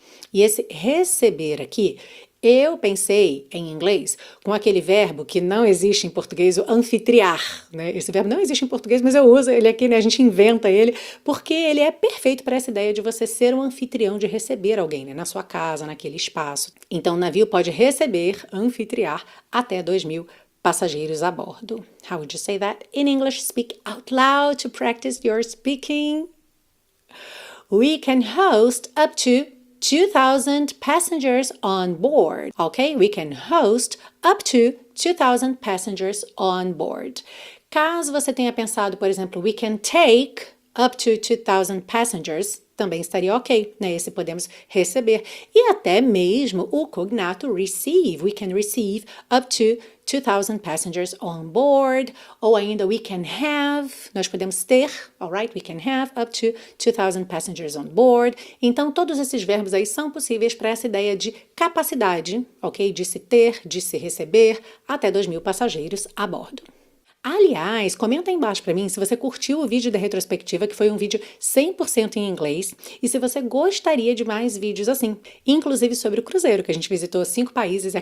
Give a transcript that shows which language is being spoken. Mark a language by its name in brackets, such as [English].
[Portuguese] E esse receber aqui, eu pensei em inglês com aquele verbo que não existe em português, o anfitriar, né? Esse verbo não existe em português, mas eu uso ele aqui, né? A gente inventa ele, porque ele é perfeito para essa ideia de você ser um anfitrião, de receber alguém, né? Na sua casa, naquele espaço. Então, o navio pode receber, anfitriar, até 2 mil passageiros a bordo. [English] How would you say that in English? Speak out loud to practice your speaking. We can host up to 2,000 passengers on board, ok? We can host up to 2,000 passengers on board. [Portuguese] Caso você tenha pensado, por exemplo, [English] we can take up to 2,000 passengers, [Portuguese] também estaria ok, né? Esse podemos receber. E até mesmo o cognato receive. [English] We can receive up to 2,000 passengers on board. [Portuguese] Ou ainda [English] we can have, [Portuguese] nós podemos ter, [English] all right? We can have up to 2,000 passengers on board. [Portuguese] Então, todos esses verbos aí são possíveis para essa ideia de capacidade, ok? De se ter, de se receber até 2 mil passageiros a bordo. Aliás, comenta aí embaixo para mim se você curtiu o vídeo da retrospectiva, que foi um vídeo 100% em inglês, e se você gostaria de mais vídeos assim, inclusive sobre o cruzeiro, que a gente visitou 5 países.